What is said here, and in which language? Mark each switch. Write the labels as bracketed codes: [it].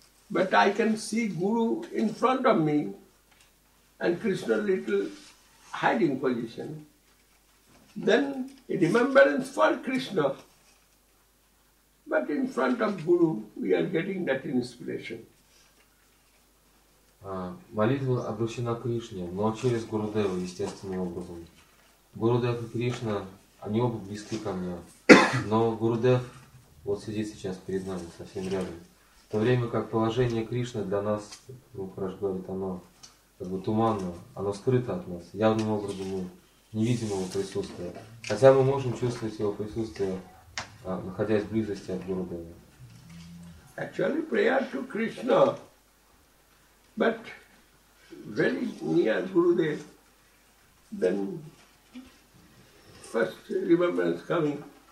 [en] But I can see Guru in front of me and Krishna little hiding position. Then a remembrance for Krishna. But in front of Guru, we are getting that inspiration. [ru] Молитва обращена к Кришне, но через Гурудеву, естественным образом. Гурудев и Кришна, они оба близки ко мне. Но Гурудев вот сидит сейчас перед нами, совсем рядом. В то время как положение Кришны для нас, Махарадж говорит, оно как бы туманно, оно скрыто от нас. Явным образом мы не видим его присутствия. Хотя мы можем чувствовать его присутствие, находясь в близости от Гурудева. [en] Actually, prayer to Krishna, but very near Gurudev, then first remembrance coming.